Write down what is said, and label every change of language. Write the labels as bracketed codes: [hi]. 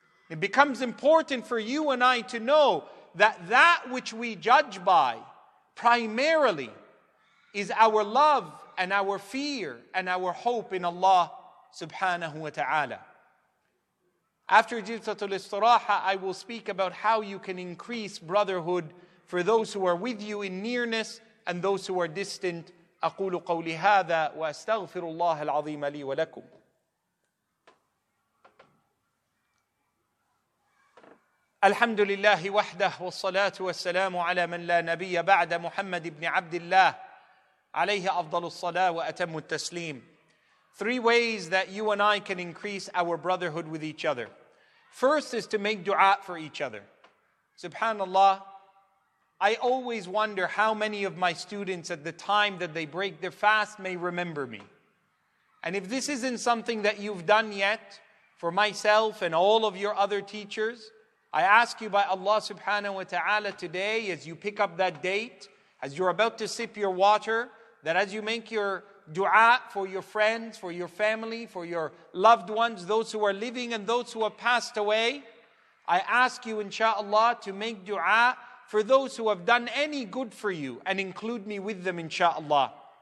[en] It becomes important for you and I to know that that which we judge by primarily is our love and our fear and our hope in Allah subhanahu wa ta'ala. After Jilsatul Istiraha, I will speak about how you can increase brotherhood for those who are with you in nearness and those who are distant. [ar] أقول قولي هذا وأستغفر الله العظيم لي ولكم. الحمد لله وحده والصلاة والسلام على من لا نبي بعد محمد بن عبد الله عليه أفضل الصلاة وأتم التسليم. [en] Three ways that you and I can increase our brotherhood with each other. First is to make dua for each other. Subhanallah. I always wonder how many of my students at the time that they break their fast may remember me. And if this isn't something that you've done yet for myself and all of your other teachers, I ask you by Allah subhanahu wa ta'ala today as you pick up that date, as you're about to sip your water, that as you make your dua for your friends, for your family, for your loved ones, those who are living and those who have passed away, I ask you inshallah to make dua for those who have done any good for you and include me with them inshallah.